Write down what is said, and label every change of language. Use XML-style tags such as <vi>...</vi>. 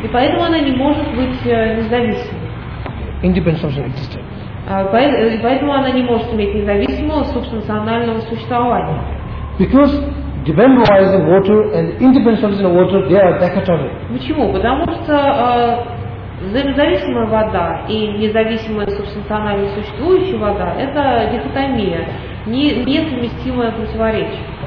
<ru>И поэтому она не может быть независимой.</ru> <en>Independent substance existence.</en> <ru>И поэтому она не может иметь независимого субстанционального существования.</ru> <en>Because dependent water and independent substance of water, they are dichotomic.</en> <ru>Почему? Потому что взаимозависимая вода и независимая субстанционально существующая вода – это дихотомия, несовместимое противоречие.</ru>